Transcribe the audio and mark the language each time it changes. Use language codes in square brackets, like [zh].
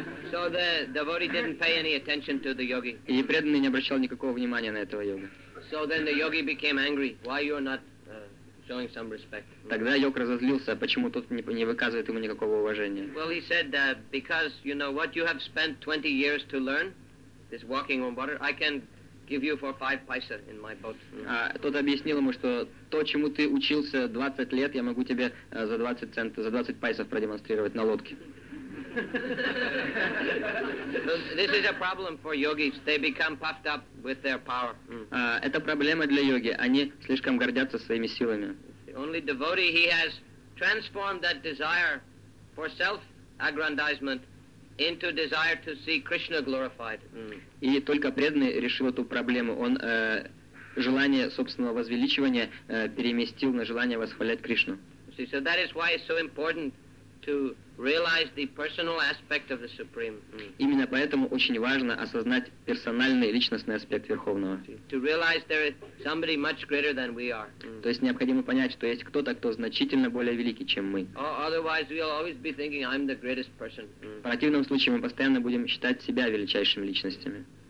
[en] So the devotee didn't pay any attention to the yogi. [ru] И преданный не обращал никакого внимания на этого йога. [en] So then the yogi became angry. Why you're not showing some respect? [ru] Тогда йог разозлился, почему тот не выказывает ему никакого уважения. [en] Well, he said that because you know what you have spent 20 years to learn this walking on water, I can give you for 5 paisa in my boat. [ru] Тот объяснил ему, что то, чему ты учился 20 лет, я могу тебе за 20 центов, за 20 пайсов продемонстрировать на лодке. [en] This is a problem for yogis. They become puffed up with their power. [ru] Это проблема для йоги. Они слишком гордятся своими силами. [en] Only devotee, he has transformed that desire for self-aggrandizement into desire to see Krishna glorified. [ru] И только преданный решил эту проблему. Он желание собственного возвеличивания переместил на желание восхвалять Кришну. [en] See, so that is why it's so important to realize the personal aspect of the Supreme. [ru] Именно поэтому очень важно осознать персональный личностный аспект Верховного. [en] To realize there is somebody much greater than we are. [ru] То есть необходимо понять, что есть кто-то, кто значительно более великий, чем мы. [en] Otherwise we'll always be thinking I'm the greatest person. [ru] В противном случае мы постоянно будем считать себя величайшими личностями.